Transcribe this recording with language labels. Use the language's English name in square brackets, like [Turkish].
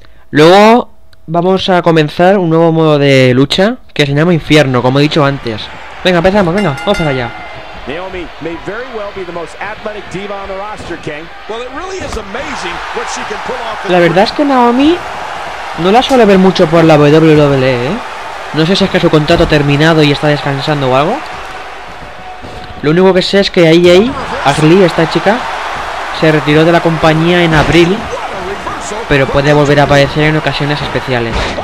[Spanish] Luego vamos a comenzar un nuevo modo de lucha que se llama Infierno, como he dicho antes. Venga, empezamos, venga, vamos para allá. [English] Naomi may very well be the most athletic diva on the roster, King. Well, it really is amazing what she can pull off. [Spanish] La verdad es que Naomi no la suele ver mucho por la WWE, ¿eh? No sé si es que su contrato ha terminado y está descansando o algo. Lo único que sé es que AJ, Ashley, esta chica, se retiró de la compañía en abril, pero puede volver a aparecer en ocasiones especiales.